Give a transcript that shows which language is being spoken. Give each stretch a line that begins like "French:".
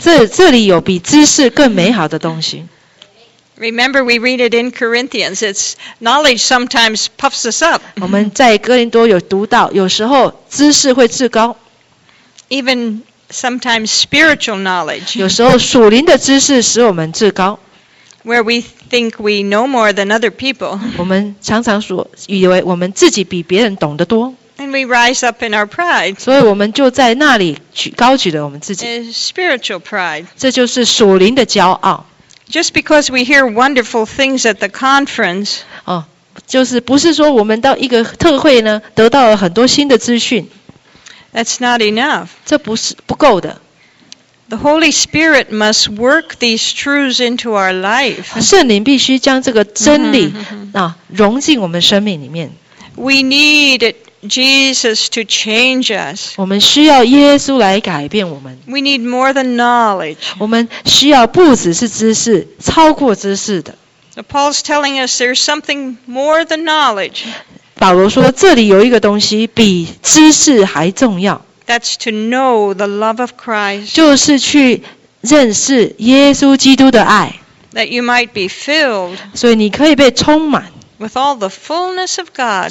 Chinese: 这里有比知识更美好的东西。
English: Remember, we read it in Corinthians. It's knowledge sometimes puffs us up.
Chinese: 我们在哥林多有读到，有时候知识会自高。
English: Even sometimes spiritual knowledge.
Chinese: 有时候属灵的知识使我们自高。
English: Where we think we know more than other people.
Chinese: 我们常常说，以为我们自己比别人懂得多。
English: And we rise up in our pride.
Chinese: 所以我们就在那里高举了我们自己。
English: Spiritual pride.
Chinese: 这就是属灵的骄傲。
English: Just because we hear wonderful things at the conference.
Chinese: 哦，就是不是说我们到一个特会呢，得到了很多新的资讯。
English: That's not enough.
Chinese: 这不是不够的。
English: The Holy Spirit must work these truths into our life.
Chinese: 圣灵必须将这个真理融进我们生命里面。
English: We need Jesus to change us.
Chinese: 我们需要耶稣来改变我们。
English: We need more than knowledge.
Chinese: 我们需要不只是知识，超过知识的。
English: Paul's telling us there's something more than knowledge.
Chinese: 保罗说，这里有一个东西比知识还重要。
English: That's to know the love of Christ.
Chinese: 就是去认识耶稣基督的爱。
English: That you might be filled.
Chinese: 所以你可以被充满。
English: With all the fullness of God.